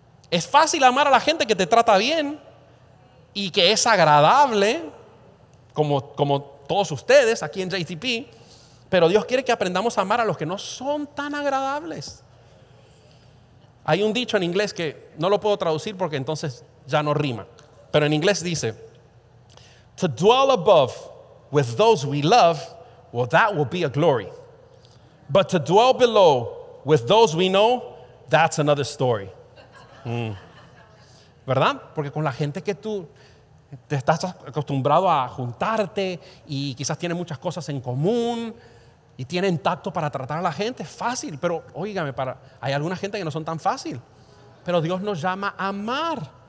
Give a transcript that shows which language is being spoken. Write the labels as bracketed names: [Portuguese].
[Spanish] Es fácil amar a la gente que te trata bien y que es agradable, como todos ustedes aquí en JTP, pero Dios quiere que aprendamos a amar a los que no son tan agradables. Hay un dicho en inglés que no lo puedo traducir porque entonces ya no rima, pero en inglés dice: [English] "To dwell above with those we love, well, that will be a glory. But to dwell below with those we know, that's another story." [Spanish] ¿Verdad? Porque con la gente que tú te estás acostumbrado a juntarte y quizás tienen muchas cosas en común y tienen tacto para tratar a la gente, es fácil. Pero óigame, hay alguna gente que no son tan fácil. Pero Dios nos llama a amar.